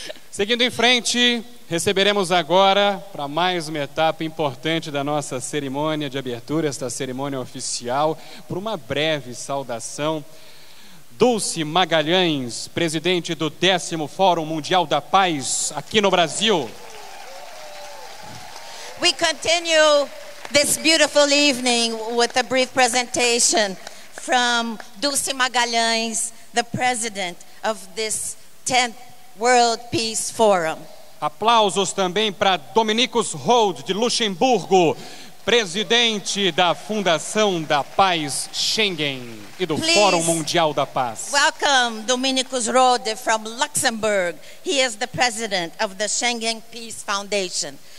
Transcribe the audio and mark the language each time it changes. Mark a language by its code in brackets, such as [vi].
[pt] Seguindo em frente, receberemos agora, para mais uma etapa importante da nossa cerimônia de abertura, esta cerimônia oficial, por uma breve saudação, Dulce Magalhães, presidente do 10º Fórum Mundial da Paz aqui no Brasil. [en] We continue this beautiful evening with a brief presentation from Dulce Magalhães, the president of this 10th World Peace Forum. [pt] Aplausos também para Dominikus Hold, de Luxemburgo, presidente da Fundação da Paz Schengen e do [en] Please [pt] Fórum Mundial da Paz. [en] Welcome Dominikus Rode from Luxembourg. He is the president of the Schengen Peace Foundation.